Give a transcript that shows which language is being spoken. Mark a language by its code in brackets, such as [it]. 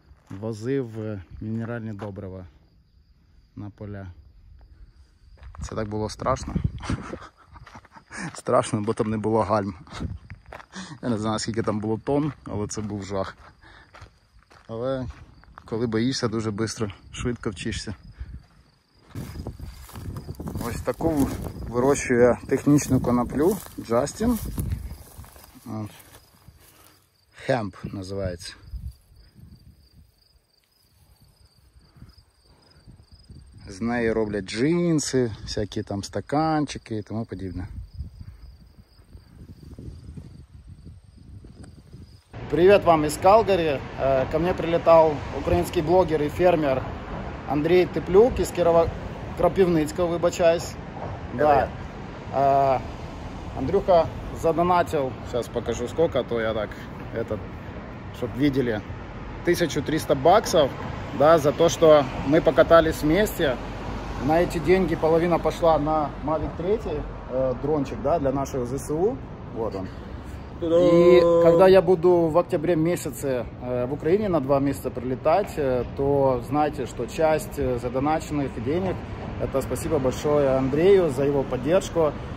[uk] Возив мінеральні добрива на поля. Це так було страшно. Страшно, бо там не було гальм. Я не знаю, скільки там було тонн, але це був жах. Але коли боїшся, дуже швидко, швидко вчишся. Ось таку вирощую я технічну коноплю, Justin. Хемп називається. З неї роблять джинси, всякі там стаканчики і тому подібне. Привіт вам із Калгарі. Ко мені прилітав український блогер і фермер Андрій Теплюк із Кропивницького, вибачаюсь. Да. Андрюха задонатив, зараз покажу скільки, а то я так, [ru] этот, [uk] щоб бачили, 1300 баксів, да, за те, що ми покатались [ru] вместе. На эти деньги половина пошла на Mavic 3, дрончик, да, для нашего ЗСУ. Вот он. И когда я буду в октябре месяце в Украине на 2 месяца прилетать, то знайте, что часть задоначенных денег, это спасибо большое Андрею за его поддержку.